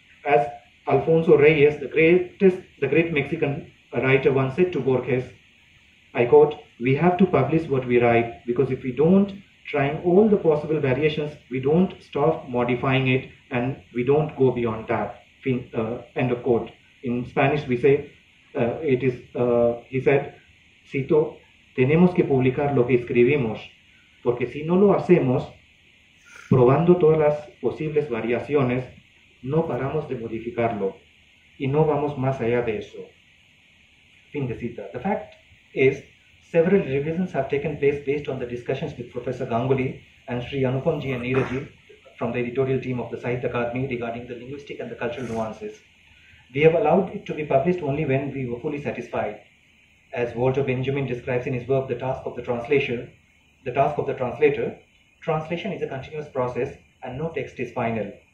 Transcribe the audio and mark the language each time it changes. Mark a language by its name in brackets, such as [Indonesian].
[English] As Alfonso Reyes, the great Mexican writer, once said to Borges, I quote, "We have to publish what we write, because if we don't, trying all the possible variations, we don't stop modifying it, and we don't go beyond that." End of quote. In Spanish, we say, he said, [Spanish] cito, tenemos que publicar lo que escribimos, porque si no lo hacemos, probando todas las posibles variaciones, no paramos de modificarlo, y no vamos más allá de eso. Fin de cita. [English] The fact is, several revisions have taken place based on the discussions with Professor Ganguly and Sri Anupamji and Neeraji from the editorial team of the Sahitya Academy regarding the linguistic and the cultural nuances. We have allowed it to be published only when we were fully satisfied. As Walter Benjamin describes in his work, The Task of the Translator, translation is a continuous process and no text is final.